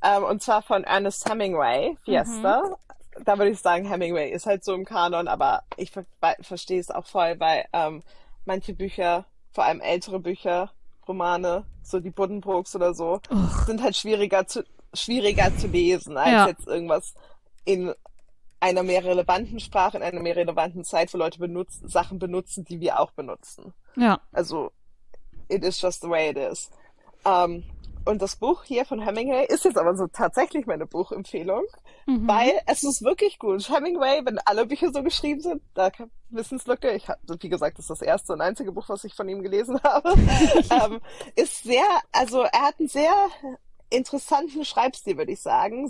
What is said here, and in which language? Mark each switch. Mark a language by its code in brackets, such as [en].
[de] Und zwar von Ernest Hemingway, Fiesta. Da würde ich sagen, Hemingway ist halt so im Kanon, aber ich verstehe es auch voll, weil manche Bücher, vor allem ältere Bücher, Romane, so die Buddenbrooks oder so, sind halt schwieriger zu lesen, als jetzt irgendwas in einer mehr relevanten Sprache, in einer mehr relevanten Zeit, wo Leute benutzen, Sachen benutzen, die wir auch benutzen. [en] Also, it is just the way it is. [de] Und das Buch hier von Hemingway ist jetzt aber so tatsächlich meine Buchempfehlung, weil es ist wirklich gut. Hemingway, wenn alle Bücher so geschrieben sind, da kann Wissenslücke, ich habe, wie gesagt, das ist das erste und einzige Buch, was ich von ihm gelesen habe, ist sehr, also er hat einen sehr interessanten Schreibstil, würde ich sagen.